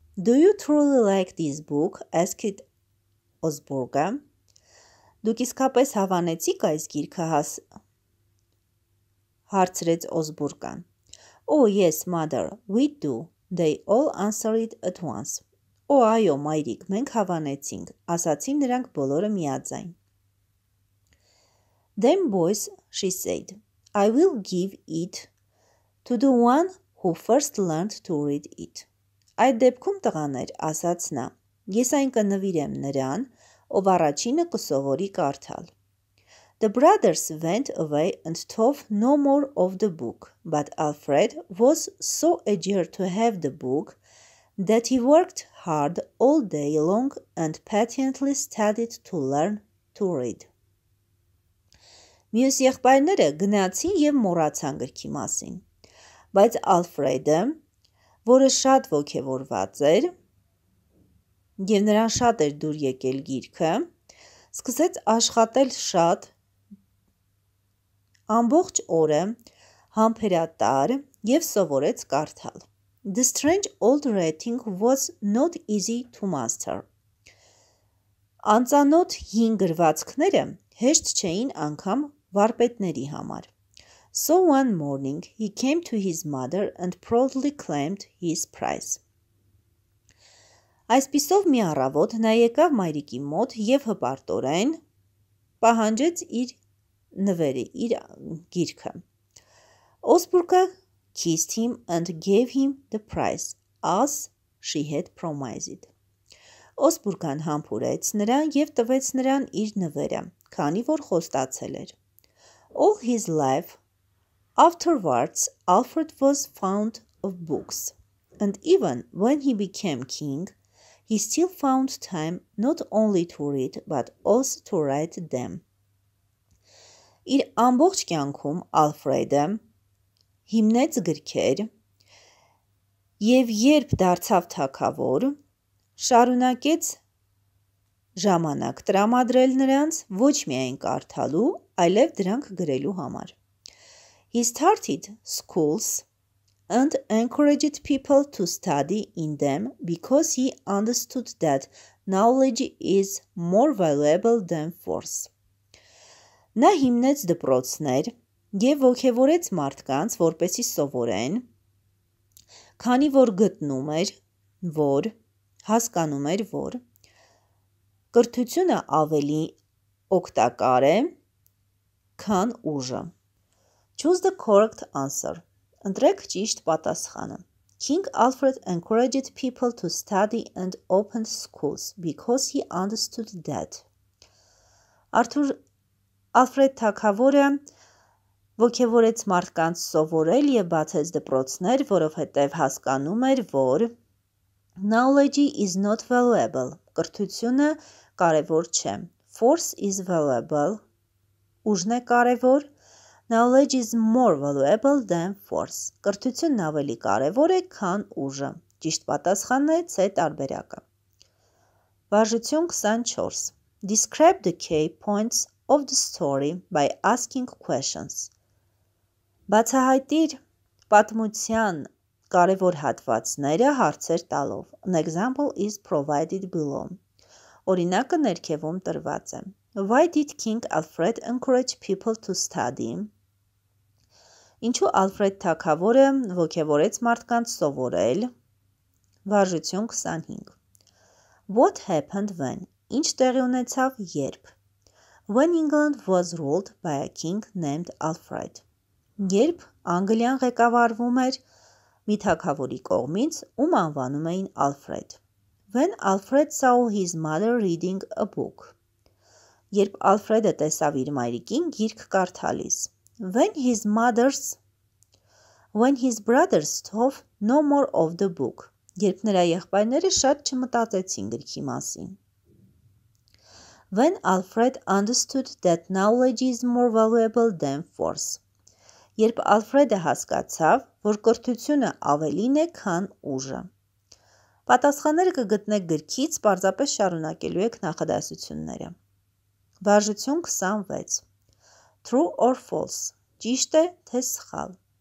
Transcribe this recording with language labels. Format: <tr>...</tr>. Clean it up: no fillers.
<en>Do you truly like this book? Asked Osburga.</en> <hy>Դուք իսկապես հավանեցիք այս գիրքը հաս, հարցրեց Osburga-ն.</hy> <en>Oh yes, mother, we do, they all answered at once.</en> <hy>Oh, այո, մայրիկ, մենք հավանեցինք, ասացին նրանք բոլորը միաձայն.</hy> <en>Then boys, she said, I will give it to the one who first learned to read it.</en> <hy>Այդ դեպքում տղաներ, ասաց նա, ես այն կնվիրեմ նրան, ով առաջինը կսովորի կարդալ.</hy> <en>The brothers went away and thought no more of the book, but Alfred was so eager to have the book that he worked hard all day long and patiently studied to learn to read.</en> <hy>Մյուս եղբայրները գնացին եւ մոռացան գրքի մասին։ Բայց Ալֆրեդը, որը շատ ոգևորված էր, եւ նրան շատ էր դուր եկել գիրքը, սկսեց աշխատել շատ ամբողջ օրը, համբերատար եւ սովորեց կարդալ.</hy> <en>The strange old writing was not easy to master.</en> <hy>Անծանոթ հին գրվածքները հեշտ չէին անգամ վարպետների համար։</hy> <en>So one morning he came to his mother and proudly claimed his prize.</en> <hy>Այսպիսով մի առավոտ նա եկավ մայրիկի մոտ եւ հպարտորեն պահանջեց իր նվերը, իր գիրքը.</hy> <en>Osburga kissed him and gave him the prize as she had promised.</en> <hy>Osburga-ն համբուրեց նրան եւ տվեց նրան իր նվերը, քանի որ խոստացել էր.</hy> <en>All his life Afterwards, Alfred was fond of books, and even when he became king, he still found time not only to read, but also to write them.</en> <hy>Իր ամբողջ կյանքում Ալֆրեդը հիմնեց գրքեր, եւ երբ դարձավ թագավոր, շարունակեց ժամանակ տրամադրել նրանց ոչ միայն կարդալու, այլև դրանք գրելու համար.</hy> <en>He started schools and encouraged people to study in them because he understood that knowledge is more valuable than force.</en> <hy>Նա հիմնեց դպրոցներ եւ ոգեվորեց մարդկանց, որպեսզի սովորեն, քանի որ գտնում էր, որ հասկանում էր, որ կրթությունը ավելի օգտակար է, քան ուժը։</hy> <en>Choose the correct answer.</en> <hy>Ընտրեք ճիշտ պատասխանը.</hy> <en>King Alfred encouraged people to study and open schools because he understood that.</en> <hy>Արթուր Ալֆրեդ թագավորը ոգևորեց մարդկանց սովորել եւ բացեց դպրոցներ, որովհետեւ հասկանում էր, որ</hy> <en>knowledge is not valuable,</en> <hy>կրթությունը կարևոր չէ.</hy> <en>Force is valuable,</en> <hy>ուժն է կարևոր.</hy> <en>Knowledge is more valuable than force.</en> <hy>Կրթությունն ավելի կարևոր է, քան ուժը։ Ճիշտ պատասխանն է ցե տարբերակը։ Վարժություն 24.</hy> <en>Describe the key points of the story by asking questions.</en> <hy>Բացահայտիր պատմության կարևոր հատվածները հարցեր տալով.</hy> <en>An example is provided below.</en> <hy>Օրինակը ներքևում տրված է.</hy> <en>Why did King Alfred encourage people to study?</en> <hy>Ինչու Ալֆրեդ թագավորը ոգևորեց մարդկանց սովորել? Վարժություն 25.</hy> <en>What happened when?</en> <hy>Ինչ տեղի ունեցավ երբ?</hy> <en>When England was ruled by a king named Alfred.</en> <hy>Երբ Անգլիան ղեկավարվում էր մի թագավորի կողմից, ում անվանում էին Ալֆրեդ.</hy> <en>When Alfred saw his mother reading a book.</en> <hy>Երբ Ալֆրեդը տեսավ իր մայրիկին գիրք կարդալիս.</hy> <en>When his brothers thought no more of the book.</en> <hy>Երբ նրա եղբայրները շատ չմտածեցին գրքի մասին.</hy> <en>When Alfred understood that knowledge is more valuable than force.</en> <hy>Երբ Ալֆրեդը հասկացավ, որ կրթությունը ավելին է, քան ուժը. Պատասխանները կգտնեք գրքից, պարզապես շարունակելու եք նախադասությունները. Վարժություն 26.</hy> <en>True or false?</en> <hy>Ճիշտ է, թե սխալ.</hy>